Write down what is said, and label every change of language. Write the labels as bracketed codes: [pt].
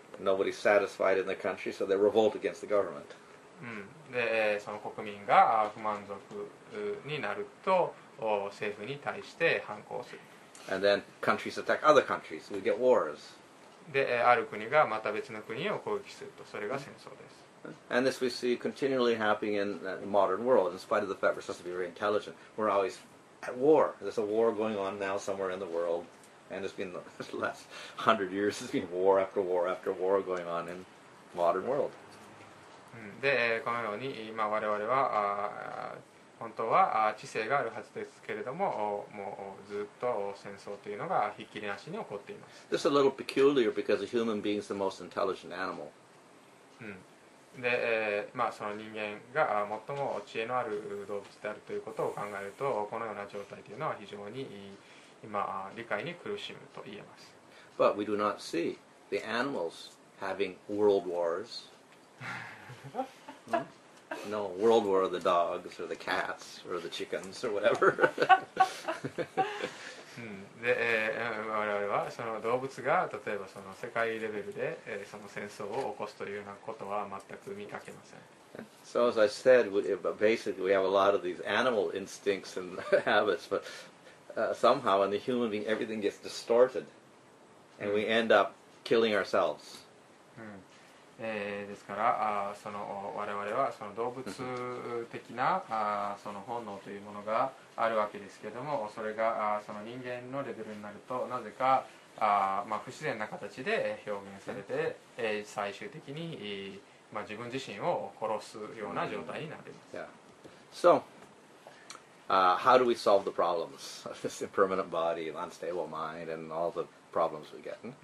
[en] Nobody's satisfied in the country, so they revolt against the government. [ja] で、その国民が不満足になると、政府に対して反抗する。 [en] And then countries attack other countries. We get wars. [ja] で、ある国がまた別の国を攻撃すると、それが戦争です。 [en] And this we see continually happening in the modern world, in spite of the fact we're supposed to be very intelligent. We're always at war. There's a war going on now somewhere in the world. And it's been the last 100 years, it's been war after war after war going on in modern world. [ja] で、このように、我々は、本当は知性があるはずですけれども、もうずっと戦争というのがひっきりなしに起こっています。 [en] This is a little peculiar because a human being is the most intelligent animal. [ja] で、その人間が最も知恵のある動物であるということを考えると、このような状態というのは非常に今理解に苦しむと言えます。 [en] But we do not see the animals having world wars. No world war of the dogs or the cats or the chickens or whatever. [ja] で、我々はその動物が例えばその世界レベルでその戦争を起こすというようなことは全く見かけません。 [en] So as I said, basically we have a lot of these animal instincts and habits, but somehow in the human being everything gets distorted and we end up killing ourselves. [ja] ですから、その我々はその動物的な、その本能というものがあるわけですけれども、それがその人間のレベルになるとなぜか不自然な形で表現されて、最終的に、自分自身を殺すような状態になります。 [en] So,how do we solve the problems of this impermanent body and unstable mind and all the problems we get?